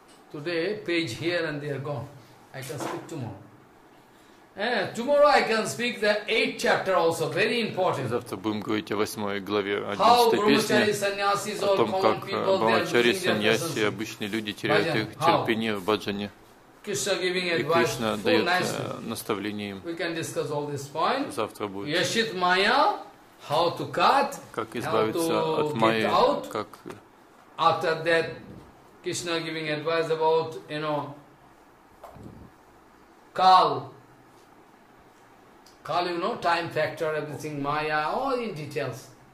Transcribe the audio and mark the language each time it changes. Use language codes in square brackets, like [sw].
[en] Today, page here and they are gone. I can speak tomorrow. Tomorrow I can speak the 8th chapter also, very important. [ru] Завтра будем говорить о 8 главе 11 песни, о том, как брахмачари, саньяси, обычные люди теряют их терпение в баджане. И Кришна дает наставление им. [en] We can discuss all this point. [ru] Завтра будет. [en] Yashit Maya, how to cut, [ru] как избавиться от майи, как... [en] After that, Krishna giving advice about, you know, Kal. Call you know time factor everything Maya all in details.